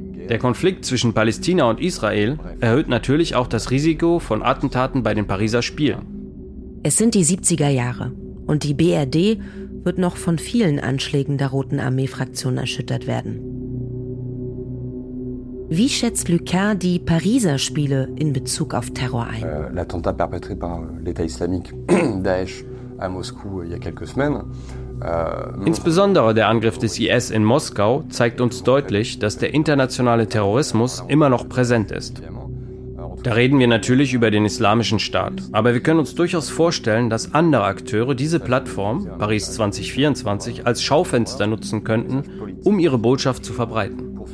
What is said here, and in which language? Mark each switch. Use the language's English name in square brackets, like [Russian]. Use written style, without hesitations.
[German] Der Konflikt zwischen Palästina und Israel erhöht natürlich auch das Risiko von Attentaten bei den Pariser Spielen. Es sind die 70er Jahre und die BRD wird noch von vielen Anschlägen der Roten Armee-Fraktion erschüttert werden. Wie schätzt Lucas die Pariser Spiele in Bezug auf Terror ein? [French] L'attentat perpétré par l'État islamique Daesh à Moscou il y a quelques semaines. [German] Insbesondere der Angriff des IS in Moskau zeigt uns deutlich, dass der internationale Terrorismus immer noch präsent ist. Da reden wir natürlich über den Islamischen Staat, aber wir können uns durchaus vorstellen, dass andere Akteure diese Plattform, Paris 2024, als Schaufenster nutzen könnten, um ihre Botschaft zu verbreiten.